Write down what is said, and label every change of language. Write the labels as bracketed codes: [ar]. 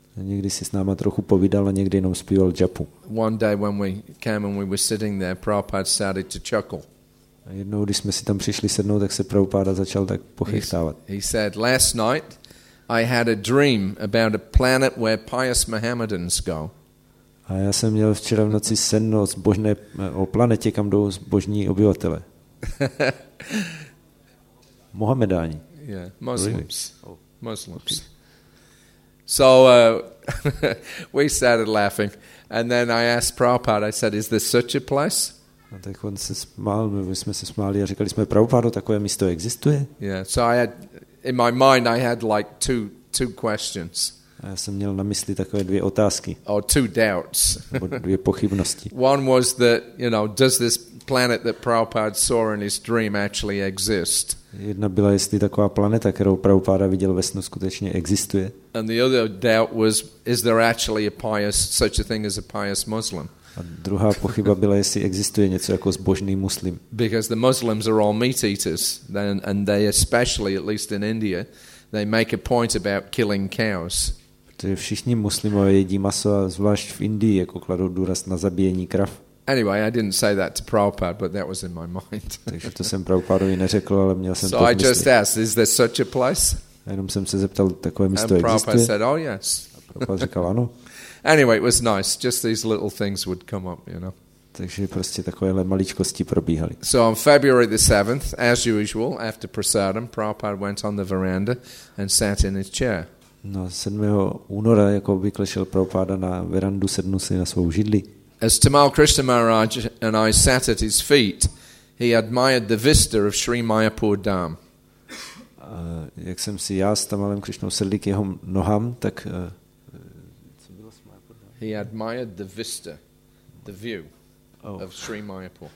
[cs] A někdy si s náma trochu povídal a někdy jenom zpíval japu. [en] One day when we came and we were sitting there, Prabhupada started to chuckle. [cs] A jednou, když jsme si tam přišli sednout, tak se Prabhupada začal tak pochechtávat. [en] He said, last night I had a dream about a planet where pious Mohammedans go. [cs] A já jsem měl včera v noci sen o planetě, kam jdou zbožní obyvatele. Mohamedáni. [en] Yeah, Muslims. Oh. Muslims. So we started laughing and then I asked Prabhupada, I said, is this such a place? [cs] A tak on se smál, my jsme se smáli a říkali jsme, Prabhupádo, takové místo existuje? [en] Yeah, so I had, in my mind I had like two questions. [cs] A já jsem měl na mysli takové dvě otázky. [en] Or two doubts. [cs] Dvě pochybnosti. [en] One was that, you know, does this planet that Prabhupada saw in his dream actually exist? [cs] Jedna byla, jestli taková planeta, kterou Prabhupada viděl ve snu, skutečně existuje. [en] And the other doubt was, is there actually a pious, such a thing as a pious Muslim? [cs] A druhá pochyba byla, jestli existuje něco jako zbožný muslim. [en] Because the Muslims are all meat eaters, and they especially, at least in India, they make a point about killing cows. [cs] Protože všichni muslimové jedí maso, a zvlášť v Indii, jako kladou důraz na zabíjení krav. [en] Anyway, I didn't say that to Prabhupada, but that was in my mind. [cs] Takže to jsem Prabhupadovi neřekl, ale měl jsem [en] so [cs] to v mysli. [en] So I just asked, is there such a place? [cs] A jenom jsem se zeptal, takové místo existuje? [en] And Prabhupada said, oh yes. [cs] Prabhupada říkal, ano. [en] Anyway, it was nice. Just these little things would come up, you know. [cs] Takže prostě takovéhle maličkosti probíhaly. [en] So on February the 7th, as usual, after prasadam, Prabhupada went on the veranda and sat in his chair. [cs] No, 7. února, jako obvykle, šel Prabhupada na verandu, sednul si na svou židli. [en] As Tamal Krishna Maharaj and I sat at his feet, he admired the vista of Sri Mayapur Dam. [cs] Jak jsem si já s Tamalem Krishnou sedli k jeho nohám, tak [en] he admired the vista, the view of Sri Mayapur.